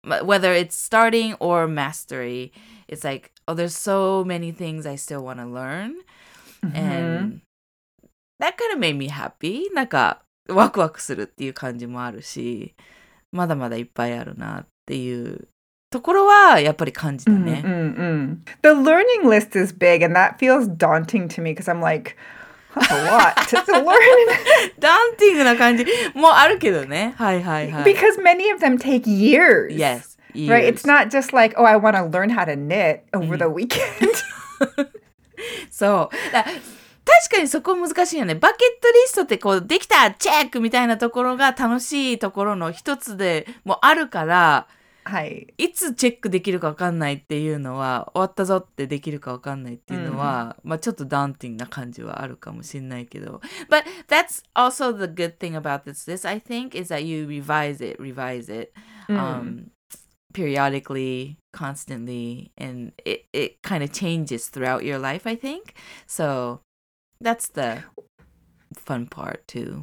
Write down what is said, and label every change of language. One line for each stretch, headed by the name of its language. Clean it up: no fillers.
English: Whether it's starting or mastery, it's like, oh, there's so many things I still want to learn. And that kind of made me happy.
Japanese: なんかワクワクするっていう感じもあるし、まだまだいっぱいあるなっていうところはやっぱり感じたね。
English: The learning list is big, and that feels daunting to me because I'm like, that's a lot to learn.
Japanese: Daunting な感じもあるけどね。はいはいはい。
English: Because many of them take years. Yes. Years. Right. It's not just like, oh, I want to learn how to knit over the weekend.
Japanese: そう、確かにそこ難しいよね。バケットリストってこうできたチェックみたいなところが楽しいところの一つでもあるから、はい、いつチェックできるか分かんないっていうのは、終わったぞってできるか分かんないっていうのは、うん、まあちょっとダウンティングな感じはあるかもしれないけど。
English: But that's also the good thing about this, I think, is that you revise it、periodically. Constantly, and it kind of changes throughout your life, I think. So that's the fun part, too.